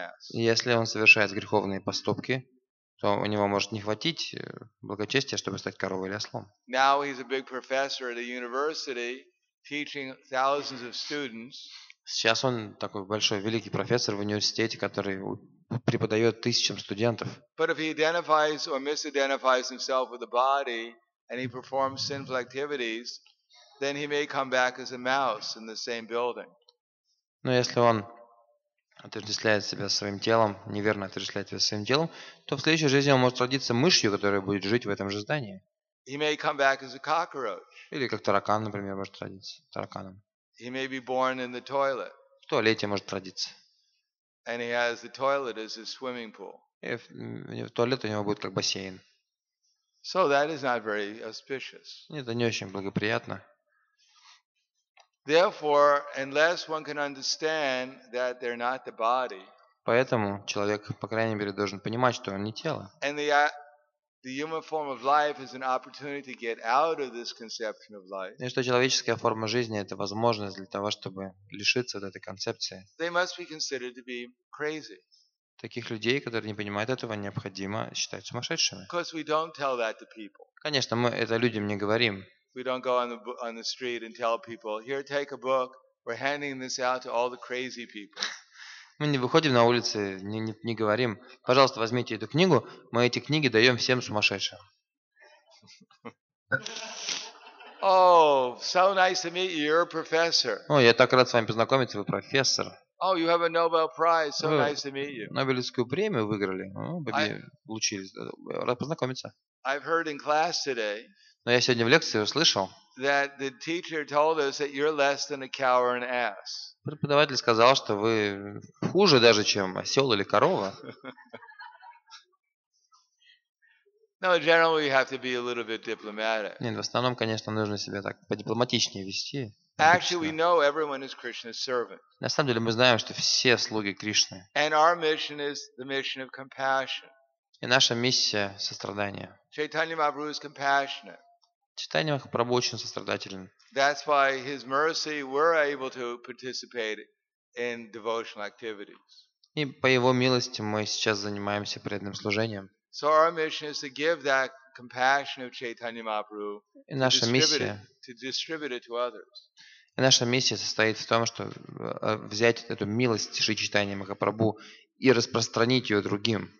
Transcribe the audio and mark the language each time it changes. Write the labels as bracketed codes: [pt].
[ru] Если он совершает греховные поступки, то у него может не хватить благочестия, чтобы стать коровой или ослом. [en] Now he's a big professor at a university, teaching thousands of students. [ru] Сейчас он такой большой, великий профессор в университете, который преподает тысячам студентов. [en] But if he identifies or misidentifies himself with the body and he performs sinful activities, then he may come back as a mouse in the same building. [ru] Но если он отождествляет себя своим телом, неверно отождествляет себя своим телом, то в следующей жизни он может родиться мышью, которая будет жить в этом же здании. [en] He may come back as a cockroach. [ru] Или как таракан, например, может родиться тараканом. [en] He may be born in the toilet. [ru] В туалете может родиться. [en] And he has the toilet as a swimming pool. [ru] И в туалет у него будет как бассейн. [en] So that is not very auspicious. [ru] Нет, это не очень благоприятно. [en] Therefore, unless one can understand that they're not the body. [ru] Поэтому человек, по крайней мере, должен понимать, что он не тело. [en] And the human form of life is an opportunity to get out of this conception of life. [ru] И что человеческая форма жизни это возможность для того, чтобы лишиться от этой концепции. [en] They must be considered to be crazy. [ru] Таких людей, которые не понимают этого, необходимо считать сумасшедшими. [en] Because we don't tell that to people. [ru] Конечно, мы это людям не говорим. [en] We don't go on the street and tell people, here, take a book. We're handing this out to all the crazy people. [ru] Мы не выходим на улицы, не говорим, пожалуйста, возьмите эту книгу. Мы эти книги даем всем сумасшедшим. [en] Oh, so nice to meet you. You're a professor. [ru] О, я так рад с вами познакомиться. Вы профессор. [en] Oh, you have a Nobel Prize. So nice to meet you. [ru] Нобелевскую премию выиграли. Получили. Рад познакомиться. [en] I've heard in class today. [ru] Но я сегодня в лекции услышал, [en] that the teacher told us that you're less than a cow or an ass. [ru] Преподаватель сказал, что вы хуже даже, чем осел или корова. [en] Now, generally, you have to be a little bit diplomatic. [ru] Нет, в основном, конечно, нужно себя так подипломатичнее вести. [en] Actually, we know everyone is Krishna's servant. [ru] На самом деле, мы знаем, что все слуги Кришны. [en] And our mission is the mission of compassion. [ru] И наша миссия – сострадание. [en] Chaitanya Mahaprabhu is compassionate. [ru] Chaitanya Mahaprabhu очень сострадателен. [en] That's why his mercy we're able to participate in devotional activities. [ru] И по его милости мы сейчас занимаемся преданным служением. [en] So our mission is to give that compassion of Chaitanya Mahaprabhu to distribute it to others. [ru] И наша миссия состоит в том, что взять эту милость Шри Чайтаньи Махапрабху и распространить ее другим.